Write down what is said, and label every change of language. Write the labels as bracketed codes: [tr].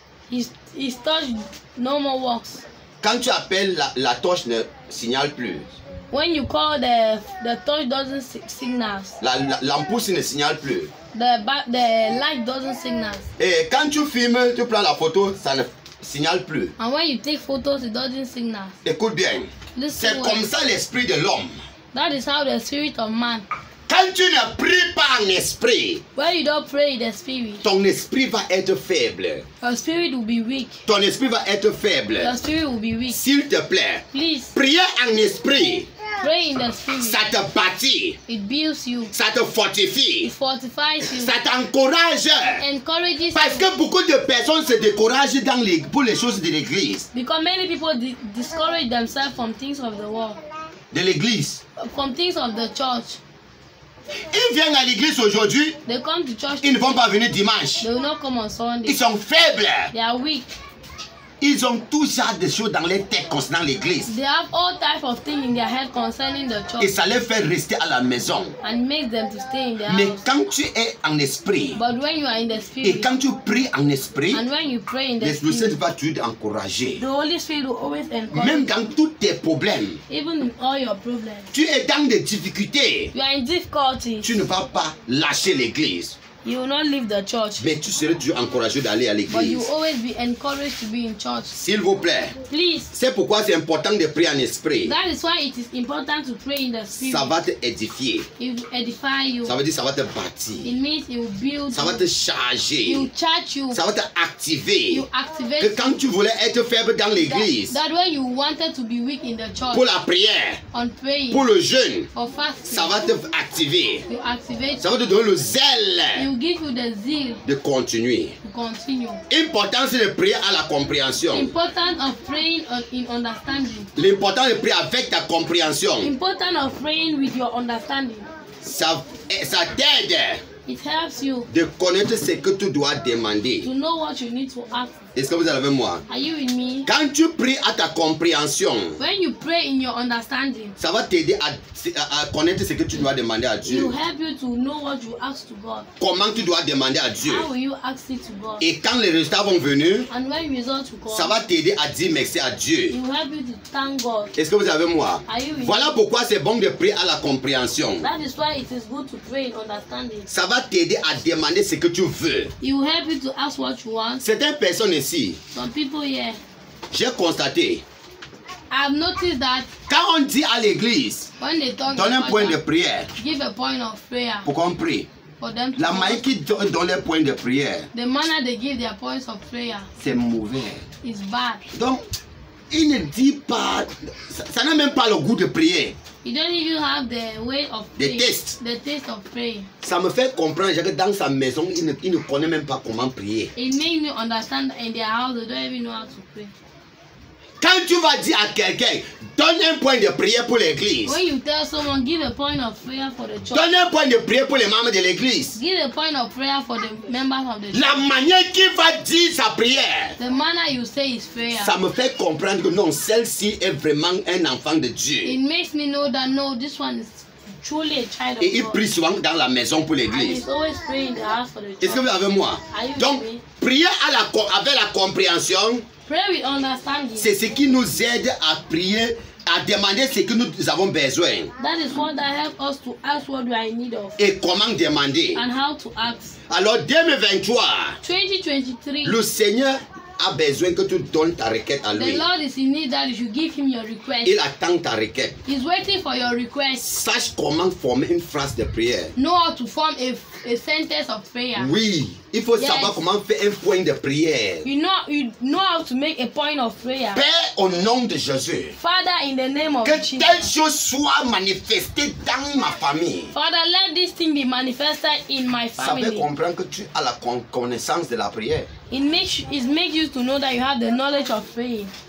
[en] His touch no more works. [fr] Quand tu appelles, la touche ne signale plus. [en] When you call, the touch doesn't signal. [fr] L'ampoule ne signale plus. [en] The light doesn't signal. [fr] Et quand tu filmes, tu prends la photo, ça ne signale plus. [en] And when you take photos, it doesn't signal. [fr] Écoute bien. [en] Listen, [fr] c'est comme ça l'esprit de l'homme. [en] That is how the spirit of man. [fr] Quand tu ne pries pas en esprit. [en] When you don't pray in the spirit. [fr] Ton esprit va être faible. [en] Your spirit will be weak. [fr] Ton esprit va être faible. [en] Your spirit will be weak. [fr] S'il te plaît. [en] Please. [fr] Prie en esprit. [en] Pray in the spirit. [fr] Ça te bâtit. [en] It builds you. [fr] Ça te fortifie. [en] It fortifies you. [fr] Ça t'encourage. [en] It encourages. [fr] Parce que beaucoup de personnes se découragent dans pour les choses de l'église. [en] Because many people discourage themselves from things of the world. [fr] De l'église. [en] From things of the church. [fr] Ils viennent à l'église aujourd'hui. [en] They come to church. [fr] Ils ne vont pas venir dimanche. [en] They will not come on Sunday. [fr] Ils sont faibles. [en] They are weak. [fr] Ils ont tout genre de choses dans leur tête concernant l'église. [en] They have all type of things in their head concerning the church. [fr] Et ça les fait rester à la maison. [en] And makes them to stay in their [fr] mais [en] house. [fr] Quand tu es en esprit. [en] But when you are in the spirit. [fr] Et quand tu pries en esprit. [en] And when you pray in the spirit. [fr] Le Saint va te encourager. [en] The Holy Spirit will always encourage. [fr] Même dans tous tes problèmes. [en] Even in all your problems. [fr] Tu es dans des difficultés. [en] You are in difficulty. [fr] Tu ne vas pas lâcher l'église. [en] You will not leave the church. [fr] Mais tu serais toujours encouragé d'aller à l'église. [en] But you will always be encouraged to be in church. [fr] S'il vous plaît. [en] Please. [fr] C'est pourquoi c'est important de prier en esprit. [en] That is why it is important to pray in the spirit. [fr] Ça va te édifier. [en] It will edify you. [fr] Ça veut dire ça va te bâtir. [en] It means it will build. [fr] Ça va te charger. [en] It will charge you. [fr] Ça va te activer. [en] You activate. [fr] Que quand tu voulais être faible dans l'église. [en] That when you wanted to be weak in the church. [fr] Pour la prière. [en] On pray. [fr] Pour le jeûne. [en] For fasting. [fr] Ça va te activer. [en] You activate. [fr] Ça va te donner le zèle. [en] It will give you the zeal [fr] de continuer. [en] Continue. [fr] Important c'est de prier à la compréhension. [en] Important of praying in understanding. [fr] L'important de prier avec ta compréhension. [en] Important of praying with your understanding. [fr] Ça t'aide. [en] It helps you [fr] de connaître ce que tu dois demander. [en] To know what you need to ask. [fr] Est-ce que vous êtes avec moi? [en] Are you with me? [fr] Quand tu pries à ta compréhension. [en] When you pray in your understanding. [fr] Ça va t'aider à connaître ce que tu dois demander à Dieu. [en] It will help you to know what you ask to God. [fr] Comment tu dois demander à Dieu? [en] How will you ask it to God? [fr] Et quand les résultats vont venir. [en] And when results will come. [fr] Ça va t'aider à dire merci à Dieu. [en] It will help you to thank God. [fr] Est-ce que vous êtes avec moi? [en] Are you with [fr] voilà [en] me? [fr] Pourquoi c'est bon de prier à la compréhension. [en] That is why it is good to pray in understanding. [fr] Ça va abatede ademande ce que tu veux. [en] He will help you to ask what you want. [fr] Certaines personnes ici. [en] Some people here. [fr] J'ai constaté. [en] I've noticed that. [fr] Quand on dit à l'église, [en] when they talk, [fr] donne un point de prière. [en] Give a point of prayer. [fr] Pour qu'on prie. [en] For them to [fr] la manière qui donne les points de prière. [en] The manner they give their points of prayer. [fr] C'est mauvais. [en] It's bad. [fr] Donc, il ne dit pas, ça n'a même pas le goût de prier. [en] You don't even have the way of the praying. Taste. The taste of praying. [fr] Ça me fait comprendre que dans sa maison, il ne connaît même pas comment prier. [en] It makes me understand that in their house, they don't even know how to pray. [fr] Quand tu vas dire à quelqu'un, donne un point de prière pour l'église. [en] When you tell someone, give a point of prayer for the church. [fr] Donne un point de prière pour les membres de l'église. [en] Give a point of prayer for the members of the church. [fr] La manière qu'il va dire sa prière. [en] The manner you say is prayer. [fr] Ça me fait comprendre que non, celle-ci est vraiment un enfant de Dieu. [en] It makes me know that no, this one is truly a child of God. [fr] Et il prie souvent dans la maison pour l'église. [en] And he's always praying in the house for the church. [fr] Est-ce que vous avez moi? Donc, prier avec la compréhension. [en] Pray with understanding. [fr] C'est ce qui nous aide à prier, à demander ce que nous avons besoin. [en] That is what that helps us to ask what we are in need of. [fr] Et comment demander. [en] And how to ask. [fr] Alors 2023. [en] 2023. [fr] Le Seigneur a besoin que tu donnes ta requête à lui. [en] The Lord is in need that you give him your request. [fr] Il attend ta requête. [en] He's waiting for your request. [fr] Sache comment former une phrase de prière. [en] Know how to form a sentence of prayer. [fr] Oui. Il faut savoir comment faire un point de prière. [en] You know how to make a point of prayer. [fr] Père au nom de Jésus. [en] Father in the name of [fr] que [en] Jesus. [fr] Que telle chose soit manifestée dans ma famille. [en] Father, let this thing be manifested in my family. [fr] Ça fait comprendre que tu as la connaissance de la prière. [en] It makes you to know that you have the knowledge of praying.